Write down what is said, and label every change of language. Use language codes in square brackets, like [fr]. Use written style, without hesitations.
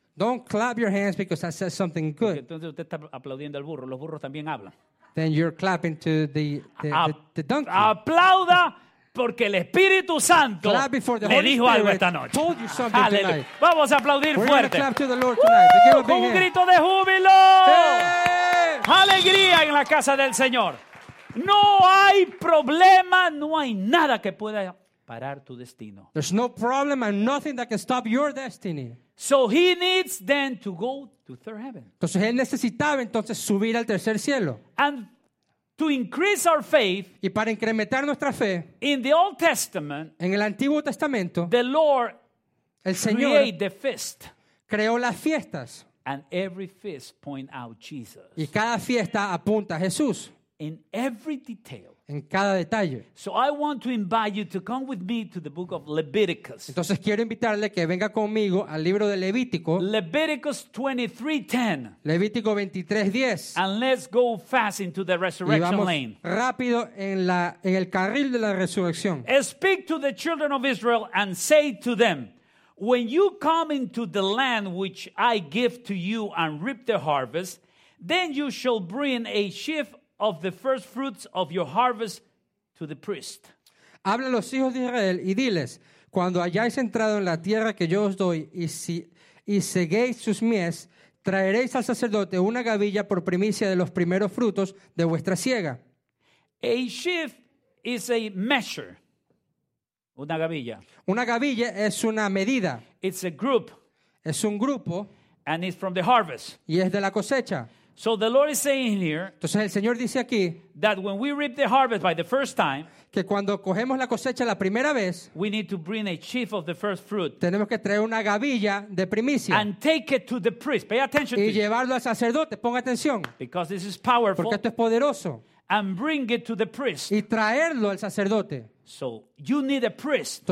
[en] Don't clap your hands because I said something good. [es] Porque entonces usted está aplaudiendo al burro. Los burros también hablan. [en] Then you're clapping to the donkey. [es] Aplauda porque el Espíritu Santo le dijo algo esta noche. [en] Told you something tonight. [es] Vamos a aplaudir fuerte. [en] We're going to clap to the Lord tonight. Give him a big hand. [es] Un grito de júbilo. Hey! Alegría en la casa del Señor. No hay problema, no hay nada que pueda parar tu destino. [en] There's no problem and nothing that can stop your destiny. So he needs then to go to third heaven. [es] Entonces él necesitaba entonces subir al tercer cielo. [en] And to increase our faith. [es] Y para incrementar nuestra fe. [en] In the Old Testament. [es] En el Antiguo Testamento. [en] The Lord. [es] El Señor. [en] Created the feast. [es] Creó las fiestas. [en] And every feast point out Jesus. [es] Y cada fiesta apunta a Jesús. [en] In every detail. [es] En cada detalle. [en] So I want to invite you to come with me to the book of Leviticus. [es] Entonces quiero invitarle que venga conmigo al libro de Levítico. [en] Leviticus 23:10. [es] Levítico 23:10. [en] And let's go fast into the resurrection lane. [es] Y vamos rápido en el carril de la resurrección. [en] Speak to the children of Israel and say to them, when you come into the land which I give to you and reap the harvest, then you shall bring a sheaf of the first fruits of your harvest to the priest. [es] Habla a los hijos de Israel y diles, cuando hayáis entrado en la tierra que yo os doy y seguéis sus mies, traeréis al sacerdote una gavilla por primicia de los primeros frutos de vuestra siega. [en] A sheaf is a measure. [es] Una gavilla. Una gavilla es una medida. [en] It's a group. [es] Es un grupo. [en] And it's from the harvest. [es] Y es de la cosecha. [en] So the Lord is saying here, [es] entonces el Señor dice aquí, [en] that when we reap the harvest by the first time, [es] que cuando cogemos la cosecha la primera vez, [en] we need to bring a sheaf of the first fruit, [es] tenemos que traer una gavilla de primicia, [en] and take it to the priest. Pay attention [es] y [en] to [es] llevarlo [en] you. [es] Al sacerdote, ponga atención, [en] because this is powerful, [es] porque esto es poderoso, [en] and bring it to the priest, [es] y traerlo al sacerdote. [en] So you need a priest,